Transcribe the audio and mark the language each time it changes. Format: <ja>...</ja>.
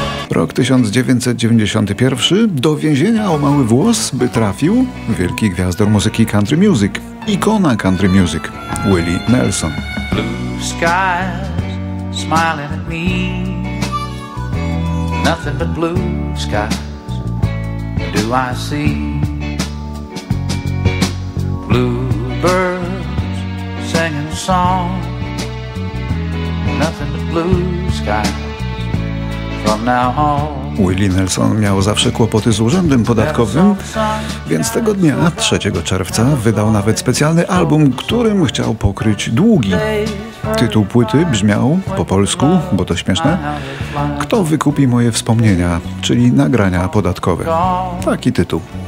<pl>Rok 1991, do więzienia o mały włos by trafił wielki gwiazdor muzyki country music, ikona country music, Willie Nelson.</pl> <en>Blue sky. Smiling at me, nothing but blue skies do I see. Blue birds singing a song, nothing but blue skies from now on.</en> <pl>Willie Nelson miał zawsze kłopoty z urzędem podatkowym, więc tego dnia, 3 czerwca, wydał nawet specjalny album, którym chciał pokryć długi. Tytuł płyty brzmiał po polsku, bo to śmieszne, Kto wykupi moje wspomnienia, czyli nagrania podatkowe. Taki tytuł.</pl>